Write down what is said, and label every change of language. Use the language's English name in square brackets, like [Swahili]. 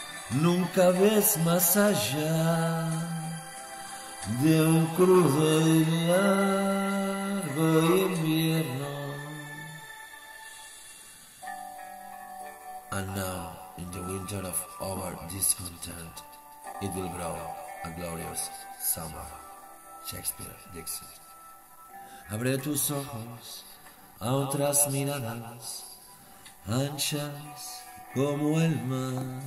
[Spanish] Nunca ves más allá de un crudo y largo invierno. [English] And now, in the winter of our discontent, it will grow a glorious summer. Shakespeare, Dixon. [Spanish] Abre tus ojos a otras miradas, anchas como el mar.